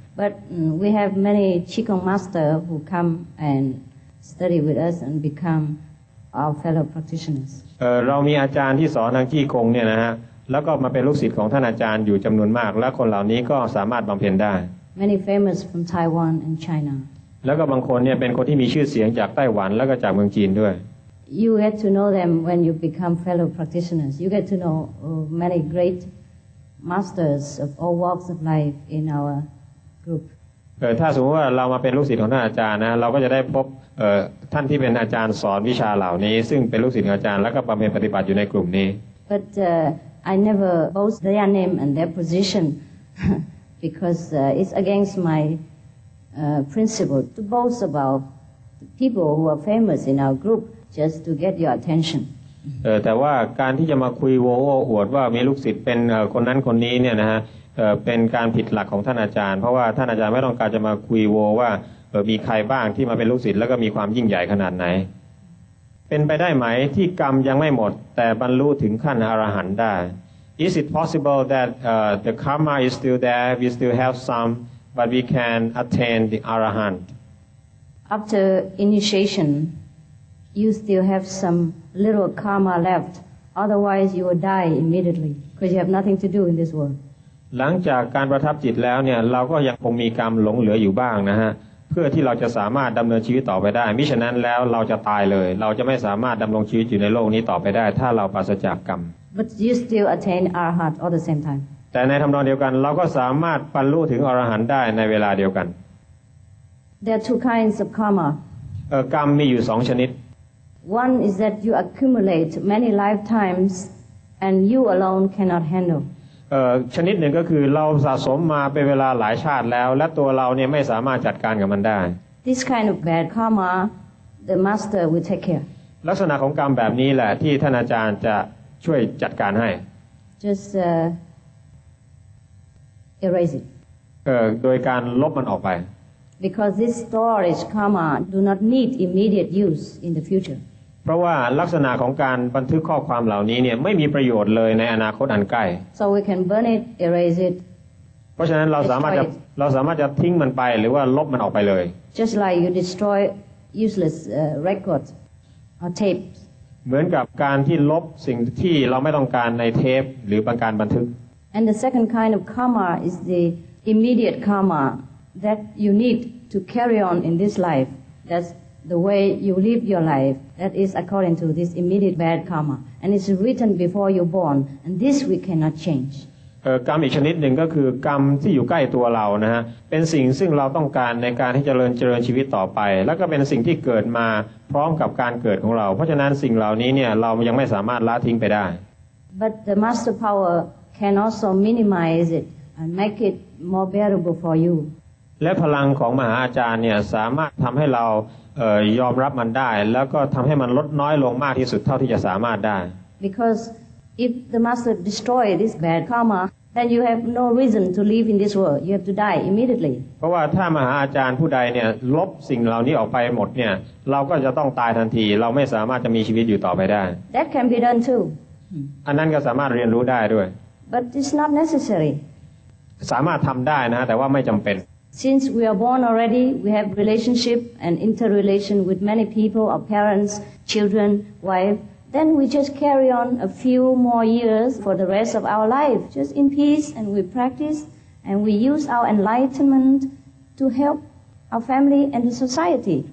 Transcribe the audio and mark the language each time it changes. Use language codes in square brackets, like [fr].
[en] But we have many Jie Gong master who come and study with us and become our fellow practitioners. [th] เรามีอาจารย์ที่สอนทาง Jie Gong เนี่ยนะฮะแล้วก็มาเป็นลูกศิษย์ของท่านอาจารย์อยู่จำนวนมากและคนเหล่านี้ก็สามารถบำเพ็ญได้ [en] Many famous from Taiwan and China. [th] แล้วก็บางคนเนี่ยเป็นคนที่มีชื่อเสียงจากไต้หวันแล้วก็จากเมืองจีนด้วย [en] You get to know them when you become fellow practitioners. You get to know many great masters of all walks of life in our group. [th] ถ้าสมมติว่าเรามาเป็นลูกศิษย์ของท่านอาจารย์นะเราก็จะได้พบท่านที่เป็นอาจารย์สอนวิชาเหล่านี้ซึ่งเป็นลูกศิษย์ของอาจารย์แล้วก็บำเพ็ญปฏิบัติอยู่ในกลุ่มนี้ [en] But I never boast their name and their position because it's against myprinciple to boast about the people who are famous in our group just to get your attention. [th] แต่ว่าการที่จะมาคุยโว้โว้อวดว่ามีลูกศิษย์เป็นคนนั้นคนนี้เนี่ยนะฮะเป็นการผิดหลักของท่านอาจารย์เพราะว่าท่านอาจารย์ไม่ต้องการจะมาคุยโว้ว่ามีใครบ้างที่มาเป็นลูกศิษย์แล้วก็มีความยิ่งใหญ่ขนาดไหนเป็นไปได้ไหมที่กรรมยังไม่หมดแต่บรรลุถึงขั้นอรหันต์ได้ [en] Is it possible that the karma is still there? We still have some. But we can attain the Arahant. After initiation, you still have some little karma left. Otherwise, you will die immediately because you have nothing to do in this world. [th] หลังจากการประทับจิตแล้วเนี่ยเราก็ยังคงมีกรรมหลงเหลืออยู่บ้างนะฮะเพื่อที่เราจะสามารถดำเนินชีวิตต่อไปได้มิฉะนั้นแล้วเราจะตายเลยเราจะไม่สามารถดำรงชีวิตอยู่ในโลกนี้ต่อไปได้ถ้าเราปราศจากกรรม [en] But you still attain Arahant all the same time. [th] แต่ในทำนองเดียวกันเราก็สามารถบรรลุถึงอรหันต์ได้ในเวลาเดียวกัน [en] There are two kinds of karma. [th] กรรมมีอยู่สองชนิด [en] One is that you accumulate many lifetimes and you alone cannot handle. [th] ชนิดหนึ่งก็คือเราสะสมมาเป็นเวลาหลายชาติแล้วและตัวเราเนี่ยไม่สามารถจัดการกับมันได้ [en] This kind of bad karma the master will take care [th] ลักษณะของกรรมแบบนี้แหละที่ท่านอาจารย์จะช่วยจัดการให้ [en] Just erase it [th] โดยการลบมันออกไป [en] Because this storage karma do not need immediate use in the future. [th] เพราะว่าลักษณะของการบันทึกข้อความเหล่านี้เนี่ยไม่มีประโยชน์เลยในอนาคตอันใกล้ [en] So we can burn it, erase it. [th] เพราะฉะนั้นเราสามารถจะทิ้งมันไปหรือว่าลบมันออกไปเลย [en] Just like you destroy useless records or tapes. [th] เหมือนกับการที่ลบสิ่งที่เราไม่ต้องการในเทปหรือการบันทึก [en] And the second kind of karma is the immediate karma. That you need to carry on in this life. That's the way you live your life. That is according to this immediate bad karma, and it's written before you're born. And this we cannot change. [th] กรรมอีกชนิดหนึ่งก็คือกรรมที่อยู่ใกล้ตัวเรานะฮะเป็นสิ่งซึ่งเราต้องการในการที่เจริญชีวิตต่อไปแล้วก็เป็นสิ่งที่เกิดมาพร้อมกับการเกิดของเราเพราะฉะนั้นสิ่งเหล่านี้เนี่ยเรายังไม่สามารถละทิ้งไปได้ [en] But the master power can also minimize it and make it more bearable for you. [th] และพลังของมหาอาจารย์เนี่ยสามารถทำให้เรายอมรับมันได้แล้วก็ทำให้มันลดน้อยลงมากที่สุดเท่าที่จะสามารถได้ [en] Because if the master destroy this bad karma then you have no reason to live in this world you have to die immediately [th] เพราะว่าถ้ามหาอาจารย์ผู้ใดเนี่ยลบสิ่งเหล่านี้ออกไปหมดเนี่ยเราก็จะต้องตายทันทีเราไม่สามารถจะมีชีวิตอยู่ต่อไปได้ [en] That can be done too [th] อันนั้นก็สามารถเรียนรู้ได้ด้วย [en] But it's not necessary [th] สามารถทำได้นะแต่ว่าไม่จำเป็น [en] Since we are born already, we have relationship and interrelation with many people, our parents, children, wife. Then we just carry on a few more years for the rest of our life, just in peace, and we practice, and we use our enlightenment to help our family and the society.